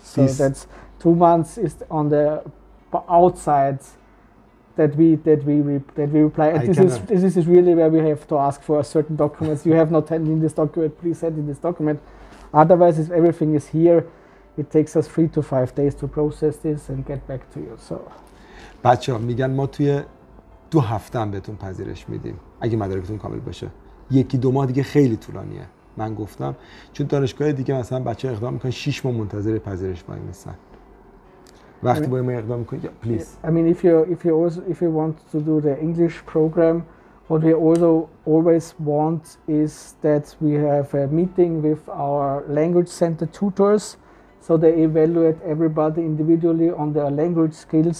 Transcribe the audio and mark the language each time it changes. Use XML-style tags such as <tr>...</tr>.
<en>So that's 2 months is on the outside that we reply. And this is really where we have to ask for a certain documents. You have not sent in this document, please send in this document. Otherwise, if everything is here, it takes us 3 to 5 days to process this and get back to you. So,</en> <fa>بچه ها میگن ما توی 2 هفته هم بهتون پذیرش میدیم اگه مدارکتون کامل باشه. 1-2 ماه دیگه خیلی طولانیه. من گفتم چون دانشگاه دیگه مثلا بچه ها اقدام میکنن 6 ماه منتظر پذیرش باید نیستن. وقتی باید ما اقدام میکنیم</fa> <en>yeah, please. I mean if you want to do the English program, what we also always want is that we have a meeting with our language center tutors. So they evaluate everybody individually on their language skills.</en>